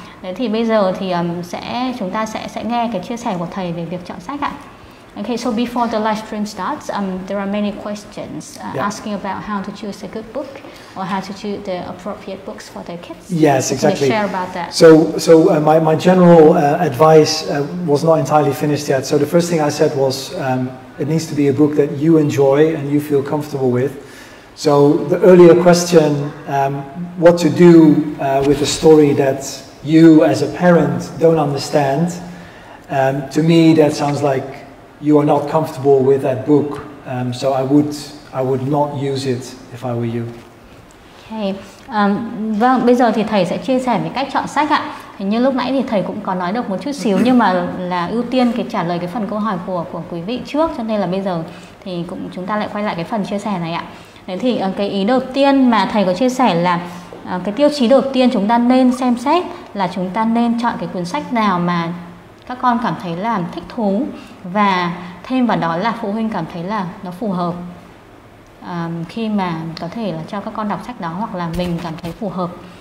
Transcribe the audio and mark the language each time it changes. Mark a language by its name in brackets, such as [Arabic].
[Vietnamese] Đấy thì bây giờ thì chúng ta sẽ nghe cái chia sẻ của thầy về việc chọn sách ạ. [English] Okay, so before the live stream starts, there are many questions asking about how to choose a good book or how to choose the appropriate books for their kids. Yes, exactly. Can you share about that? So my general advice was not entirely finished yet. So the first thing I said was it needs to be a book that you enjoy and you feel comfortable with. So the earlier question, what to do with a story that you as a parent don't understand, to me that sounds like you are not comfortable with that book, so I would not use it if I were you. Okay. [Vietnamese] Vâng, bây giờ thì thầy sẽ chia sẻ về cách chọn sách ạ. Thì như lúc nãy thì thầy cũng có nói được một chút xíu, nhưng mà là ưu tiên cái trả lời cái phần câu hỏi của quý vị trước, cho nên là bây giờ thì cũng chúng ta lại quay lại cái phần chia sẻ này ạ. Thế thì cái ý đầu tiên mà thầy có chia sẻ là cái tiêu chí đầu tiên chúng ta nên xem xét là chúng ta nên chọn cái cuốn sách nào mà các con cảm thấy là thích thú, và thêm vào đó là phụ huynh cảm thấy là nó phù hợp khi mà có thể là cho các con đọc sách đó, hoặc là mình cảm thấy phù hợp.